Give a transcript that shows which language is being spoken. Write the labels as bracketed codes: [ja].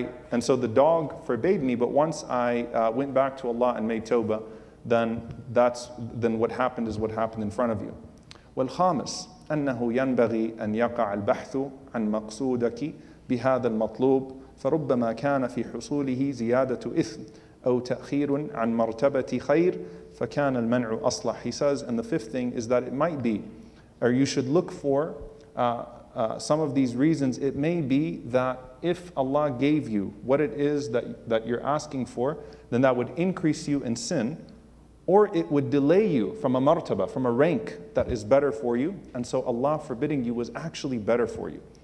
[en] And so the dog forbade me, but once I went back to Allah and made tawbah, then what happened is what happened in front of you. [ar] والخامس أنه ينبغي أن يقع البحث عن مقصودك بهذا المطلوب فربما كان في حصوله زيادة إثم أو تأخير عن مرتبة خير فكان المنع أصلح. [en] He says, and the fifth thing is that it might be, or you should look for some of these reasons. It may be that if Allah gave you what it is that you're asking for, then that would increase you in sin, or it would delay you from a martaba, from a rank that is better for you, and so Allah forbidding you was actually better for you.